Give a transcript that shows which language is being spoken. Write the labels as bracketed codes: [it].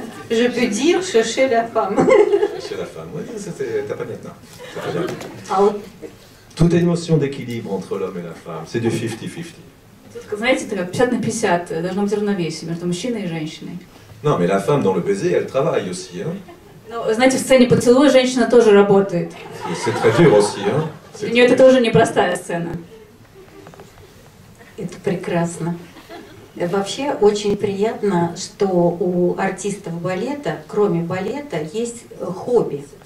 [fr] Je peux dire que chez la femme. Chez la femme, oui, t'as pas net, non. Toute est notion d'équilibre entre l'homme et la femme, c'est du 50-50. [ru] Знаете, это 50 на 50, должно быть равновесие между мужчиной и женщиной. [fr] Non, mais la femme dans le baiser, elle travaille aussi, hein. [ru] Ну, знаете, в сцене поцелуя женщина тоже работает. [fr] Aussi, [ru] у нее это тоже непростая сцена. Это прекрасно. Вообще, очень приятно, что у артистов балета, кроме балета, есть хобби.